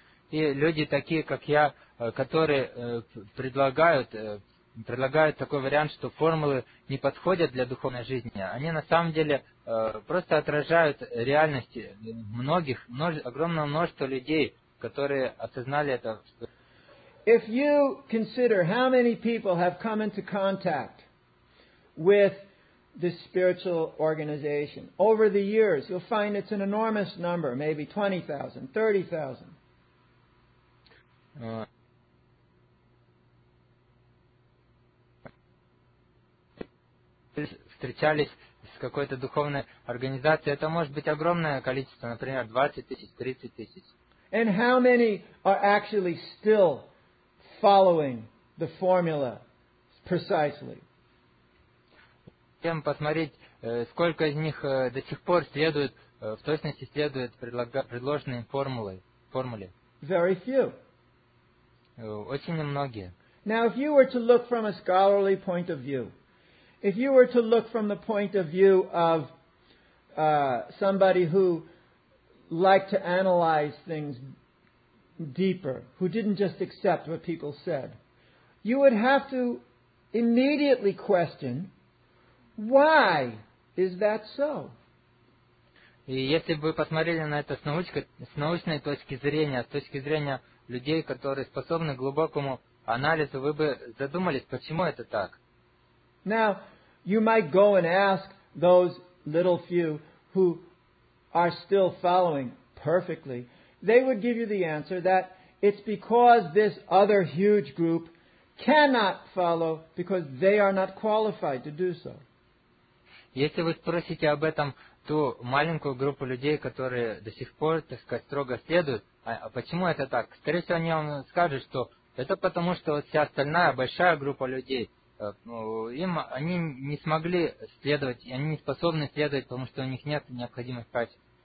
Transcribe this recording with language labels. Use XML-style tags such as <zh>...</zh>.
<ru>И люди такие, как я, которые предлагают такой вариант, что формулы не подходят для духовной жизни, они на самом деле просто отражают реальность многих, огромного множества людей, которые осознали это.</ru> <en>If you consider how many people have come into contact with this spiritual organization over the years, you'll find it's an enormous number, maybe 20,000, 30,000.</en> <ru>Встречались с какой-то духовной организацией, это может быть огромное количество, например, 20 тысяч, 30 тысяч.</ru> <en>And how many are actually still following the formula precisely?</en> <ru>Тем посмотреть, сколько из них до сих пор следует, в точности следует предложенной формуле.</ru> <en>Very few.</en> <ru>Очень немногие.</ru> <en>Now, if you were to look from a scholarly point of view, if you were to look from the point of view of somebody who liked to analyze things deeper, who didn't just accept what people said, you would have to immediately question, why is that so?</en> <ru>И если бы вы посмотрели на это с научной точки зрения, с точки зрения людей, которые способны к глубокому анализу, вы бы задумались, почему это так?</ru> <en>Now, you might go and ask those little few who are still following perfectly. They would give you the answer that it's because this other huge group cannot follow because they are not qualified to do so.</en> <ru>Если вы спросите об этом ту маленькую группу людей, которые до сих пор, так сказать, строго следуют, а почему это так? Скорее всего, они вам скажут, что это потому, что вот вся остальная большая группа людей, они не смогли следовать, и они не способны следовать, потому что у них нет необходимых качеств.</ru>